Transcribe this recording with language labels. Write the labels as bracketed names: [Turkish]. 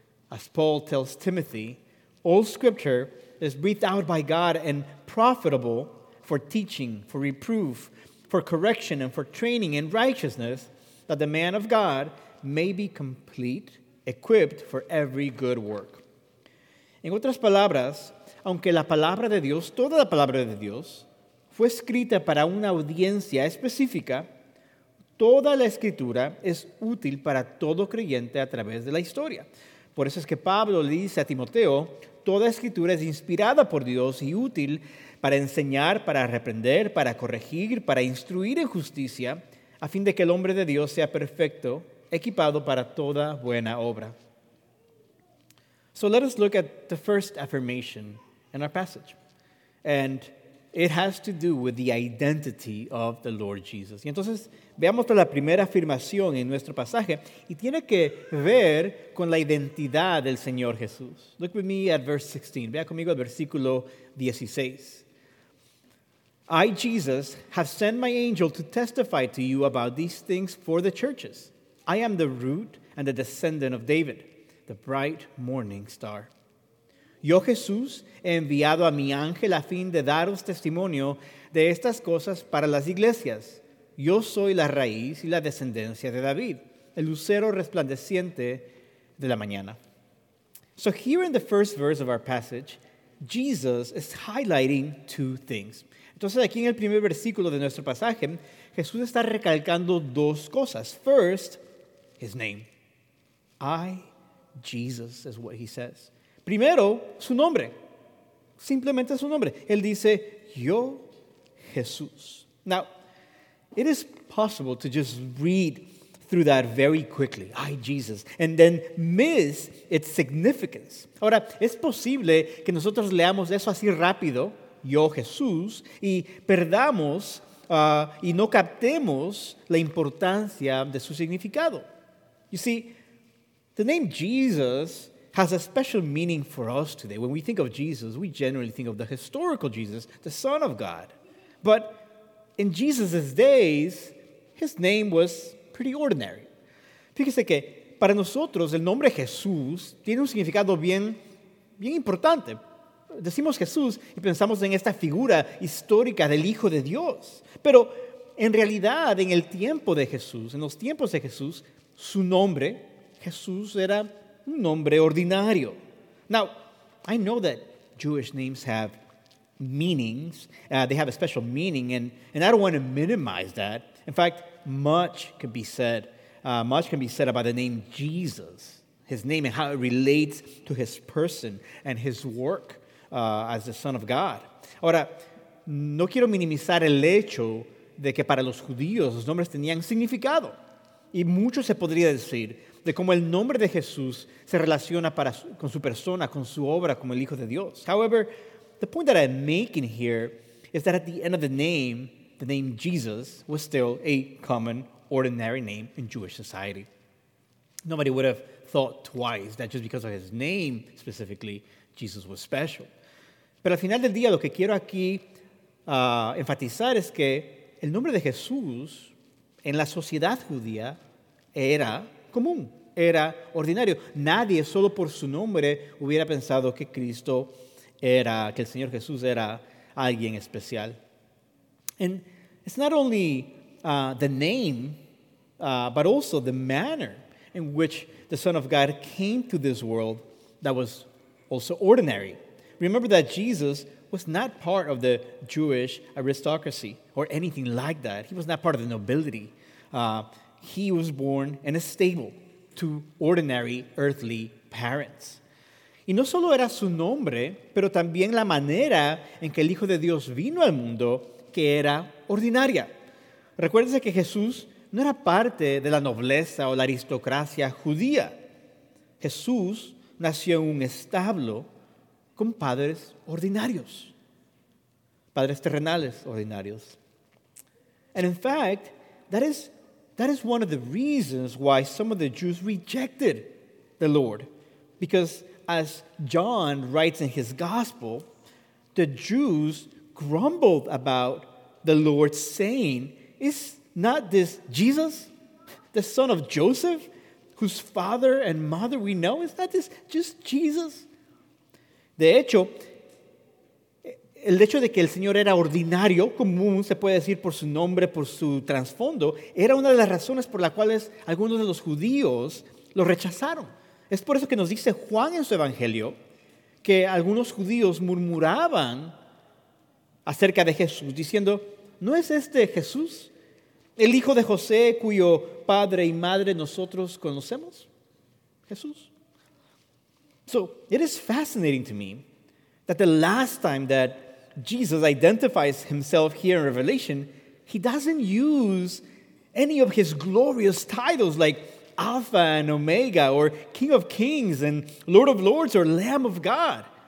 [English] As Paul tells Timothy, all scripture is breathed out by God and profitable for teaching, for reproof, for correction, and for training in righteousness, that the man of God may be complete, equipped for every good work. [Spanish] En otras palabras, aunque la palabra de Dios, toda la palabra de Dios, fue escrita para una audiencia específica, toda la escritura es útil para todo creyente a través de la historia. Por eso es que Pablo le dice a Timoteo, toda escritura es inspirada por Dios y útil para enseñar, para reprender, para corregir, para instruir en justicia, a fin de que el hombre de Dios sea perfecto, equipado para toda buena obra. [English] So let us look at the first affirmation in our passage. And it has to do with the identity of the Lord Jesus. [Spanish] Y entonces, veamos la primera afirmación en nuestro pasaje y tiene que ver con la identidad del Señor Jesús. [English] Look with me at verse 16. [Spanish] Vea conmigo el versículo 16. [English] I, Jesus, have sent my angel to testify to you about these things for the churches. I am the root and the descendant of David, the bright morning star. [Spanish] Yo, Jesús, he enviado a mi ángel a fin de daros testimonio de estas cosas para las iglesias. Yo soy la raíz y la descendencia de David, el lucero resplandeciente de la mañana. [English] So here in the first verse of our passage, Jesus is highlighting two things. [Spanish] Entonces aquí en el primer versículo de nuestro pasaje, Jesús está recalcando dos cosas. [English] First, his name. I, Jesus, is what he says. [Spanish] Primero, su nombre. Simplemente su nombre. Él dice, yo, Jesús. [English] Now, it is possible to just read through that very quickly. I, Jesus. And then miss its significance. [Spanish] Ahora, es posible que nosotros leamos eso así rápido, yo, Jesús, y perdamos y no captemos la importancia de su significado. [English] You see, the name Jesus has a special meaning for us today. When we think of Jesus, we generally think of the historical Jesus, the Son of God. But in Jesus' days, his name was pretty ordinary. [Spanish] Fíjese que para nosotros el nombre Jesús tiene un significado bien, bien importante. Decimos Jesús y pensamos en esta figura histórica del Hijo de Dios. Pero en realidad, en el tiempo de Jesús, en los tiempos de Jesús, su nombre, Jesús, era un nombre ordinario. [English] Now, I know that Jewish names have meanings. They have a special meaning, and I don't want to minimize that. In fact, much can be said about the name Jesus, his name and how it relates to his person and his work as the Son of God. [Spanish] Ahora, no quiero minimizar el hecho de que para los judíos los nombres tenían significado. Y mucho se podría decir de cómo el nombre de Jesús se relaciona con su persona, con su obra, como el Hijo de Dios. [English] However, the point that I'm making here is that at the end of the name Jesus was still a common, ordinary name in Jewish society. Nobody would have thought twice that just because of his name, specifically, Jesus was special. [Spanish] Pero al final del día, lo que quiero aquí enfatizar es que el nombre de Jesús en la sociedad judía era común, era ordinario. Nadie, solo por su nombre, hubiera pensado que Cristo era, que el Señor Jesús era alguien especial. [English] And it's not only the name, but also the manner in which the Son of God came to this world that was also ordinary. Remember that Jesus was not part of the Jewish aristocracy or anything like that. He was not part of the nobility. He was born in a stable to ordinary earthly parents. [Spanish] Y no solo era su nombre, pero también la manera en que el Hijo de Dios vino al mundo, que era ordinaria. Recuérdese que Jesús no era parte de la nobleza o la aristocracia judía. Jesús nació en un establo con padres ordinarios, padres terrenales ordinarios. [English] And in fact, that is one of the reasons why some of the Jews rejected the Lord. Because as John writes in his gospel, the Jews grumbled about the Lord saying, "Is not this Jesus, the son of Joseph, whose father and mother we know? Is not this just Jesus?" [Spanish] De hecho, el hecho de que el Señor era ordinario, común, se puede decir por su nombre, por su trasfondo, era una de las razones por las cuales algunos de los judíos lo rechazaron. Es por eso que nos dice Juan en su evangelio que algunos judíos murmuraban acerca de Jesús, diciendo, ¿no es este Jesús, el hijo de José, cuyo padre y madre nosotros conocemos? Jesús. [English] So, it is fascinating to me that the last time that Jesus identifies himself here in Revelation, he doesn't use any of his glorious titles like Alpha and Omega or King of Kings and Lord of Lords or Lamb of God.